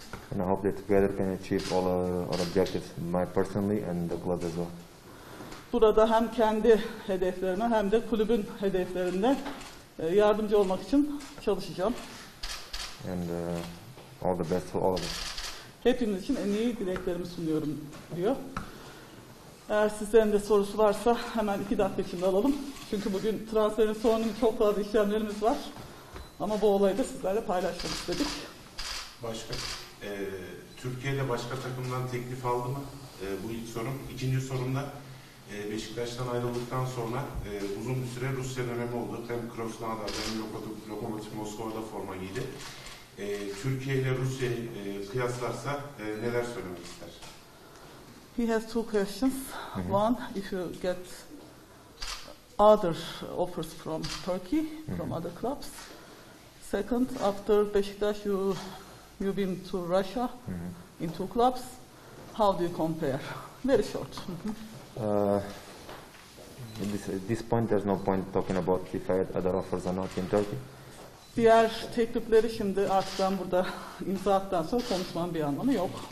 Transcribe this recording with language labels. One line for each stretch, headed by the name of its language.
English: And I hope that together can achieve all our objectives, my personally and the club as well.
Turkish: Burada hem kendi hedeflerime hem de kulübün hedeflerine yardımcı olmak için çalışacağım.
English: And all the best for all of us.
Turkish: Hepiniz için en iyi dileklerimi sunuyorum diyor. Eğer sizlerin de sorusu varsa hemen iki dakika içinde alalım. Çünkü bugün transferin sonu, çok fazla işlemlerimiz var. Ama bu olayı da sizlerle paylaşmak istedik. Başka, Türkiye'de başka takımdan teklif aldı mı? Bu ilk sorum. İkinci sorum da Beşiktaş'tan ayrıldıktan sonra uzun bir süre Rusya dönemi oldu. Hem Krasnodar'da hem Lokomotiv Moskova'da forma giydi. Türkiye ile Rusya kıyaslarsa neler söylemek ister?
English: He has two questions. Mm-hmm. One, if you get other offers from Turkey, mm-hmm. from other clubs. Second, after Beşiktaş, you've been to Russia mm-hmm. in two clubs. How do you compare? Very short. Mm-hmm. At this point, there's no point talking about if I had other offers or not in Turkey.
Turkish: Diğer teklifleri şimdi artık ben burada imza attıktan sonra konuşmam bir anlamı yok.